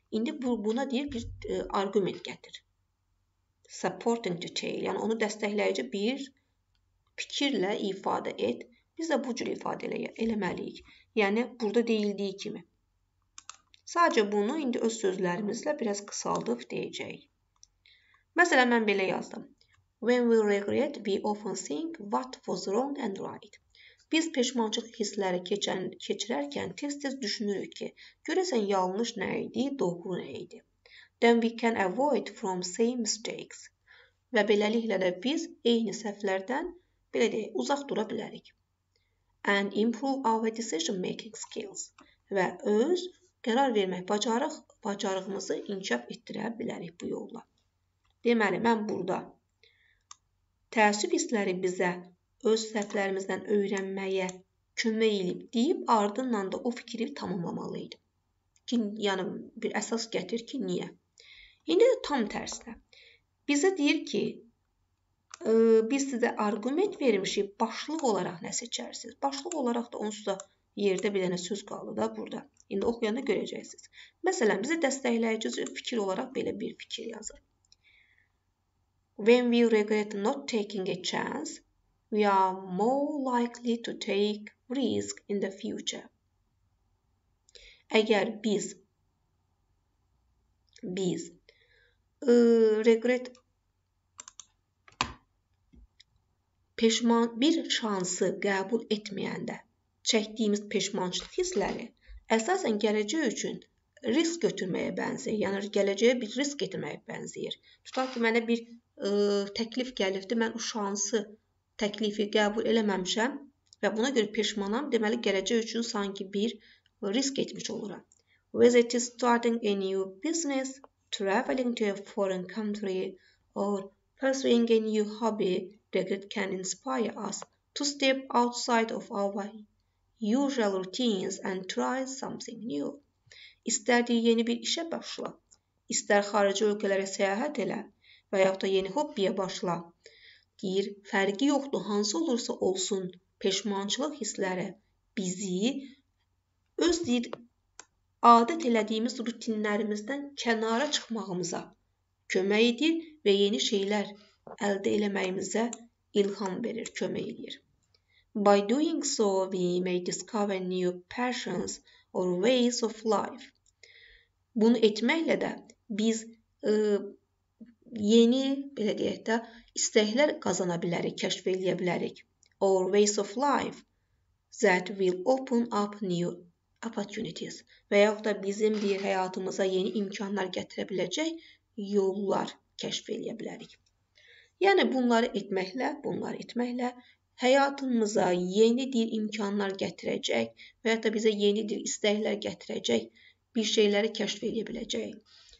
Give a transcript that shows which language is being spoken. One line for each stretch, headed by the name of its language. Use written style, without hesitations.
Azerbaijani: İndi buna deyir bir argument gətir. Supporting detail, yəni onu dəstəkləyici bir fikirlə ifadə et. Biz də bu cür ifadə eləməliyik. Yəni, burada deyildiyi kimi. Sadəcə bunu indi öz sözlərimizlə biraz qısaldıb deyəcək. Məsələn, mən belə yazdım.
English: When we regret, we often think what was wrong and right.
Azerbaijani: Biz peşmançılıq hissləri keçirərkən tez-tez düşünürük ki, görəsən yanlış nə idi, doğru nə idi.
English: Then we can avoid from same mistakes.
Azerbaijani: Və beləliklə də biz eyni səhvlərdən belə deyək, uzaq dura bilərik.
English: And improve our decision making skills.
Azerbaijani: Və öz qərar vermək bacarığımızı inkişaf etdirə bilərik bu yolla. Deməli, mən burada təəssüf hissləri bizə öz səhvlərimizdən öyrənməyə kömək edib deyib, ardından da o fikri tamamlamalıydım. Ki, yəni, bir əsas gətir ki, niyə? İndi də tam tərsinə. Bizə deyir ki, biz sizə argument vermişik, başlıq olaraq nə seçərsiniz? Başlıq olaraq da onsuz da yerdə bir dənə söz qaldı da burada. İndi oxuyanda görəcəksiniz. Məsələn, bizə dəstəkləyici fikir olaraq belə bir fikir yazır.
English: When we regret not taking a chance, we are more likely to take risk in the future.
Azerbaijani: Əgər biz regret peşman bir şansı qəbul etməyəndə çəkdiyimiz peşmançılıq hissləri əsasən gələcək üçün risk götürməyə bənzəyir. Yəni gələcəyə bir risk götürməyə bənzəyir. Tutaq ki, mənə bir təklif gəlibdi, mən o şansı təklifi qəbul eləməmişəm və buna görə peşmanam. Deməli gələcək üçün sanki bir risk etmiş oluram.
English: Whether it is starting a new business, traveling to a foreign country or pursuing a new hobby, regret can inspire us to step outside of our usual routines and try something new.
Azerbaijani: İstərdiyi yeni bir işə başla, istər xarici ölkələrə səyahət elə və yaxud da yeni hobbiyə başla. Deyir, fərqi yoxdur, hansı olursa olsun, peşmançılıq hissləri bizi öz deyir, adət elədiyimiz rutinlərimizdən kənara çıxmağımıza kömək edir və yeni şeylər əldə eləməyimizə ilham verir, kömək edir.
English: By doing so, we may discover new passions or ways of life.
Azerbaijani: Bunu etməklə də biz yeni, belə deyək də, istəklər qazana bilərik, kəşf eləyə bilərik.
English: Or ways of life that will open up new opportunities.
Azerbaijani: Və yaxud da bizim bir həyatımıza yeni imkanlar gətirə biləcək yollar kəşf eləyə bilərik. Yəni, bunları etməklə həyatımıza yeni bir imkanlar gətirəcək və ya da bizə yeni bir istəklər gətirəcək bir şeyləri kəşf eləyə biləcək.